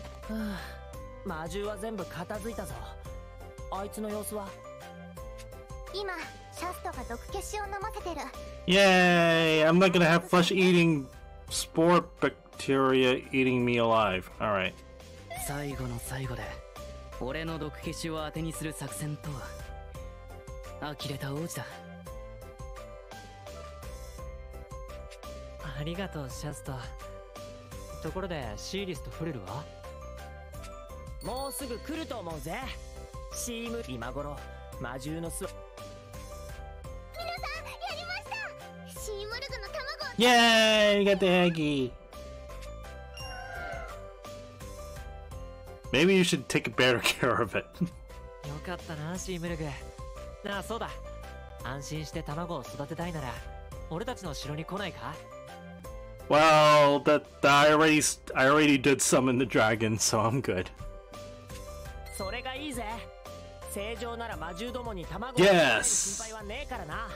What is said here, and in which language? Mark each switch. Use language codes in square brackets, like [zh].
[ja] はあ、魔獣は全部片付いたぞ。あいつの様子は？今シャストが毒消しを飲ませてる。 [en] イエーイ、 I'm not gonna have flesh eating spore bacteria eating me alive. All right. [ja] 最後の最後で俺の毒消しを当てにする作戦とは呆れた王子だ。ありがとうシャスト。ところでシーリスとフレルは？もうすぐ来ると思うぜ。シーム今頃魔獣の巣。皆さんやりました。シームルグの卵。イエーイ、ありがとうヤギ。 [en] Maybe you should take better care of it. [ja] よかったなシームルグ。なあそうだ。安心して卵を育てたいなら、俺たちの城に来ないか。 [en] Well, I already did summon the dragon, so I'm good. [ja] それがいいぜ。正常なら魔獣どもに卵を与える心配はねえからな。